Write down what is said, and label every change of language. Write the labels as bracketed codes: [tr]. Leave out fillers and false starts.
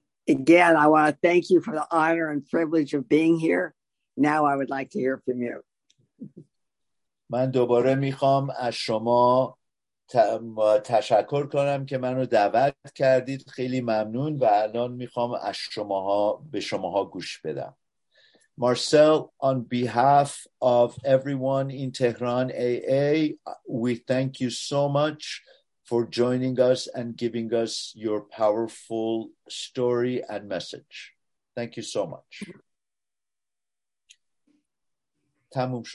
[en] Again, I want to thank you for the honor and privilege of being here. Now I would like to hear from you. [fa] من دوباره میخوام از شما تشکر کنم که منو دعوت کردید. خیلی ممنون و الان میخوام از شماها به شماها گوش بدم. [en] Marcel, on behalf of everyone in Tehran AA, we thank you so much for joining us and giving us your powerful story and message. Thank you so much. [fa] تموم شد.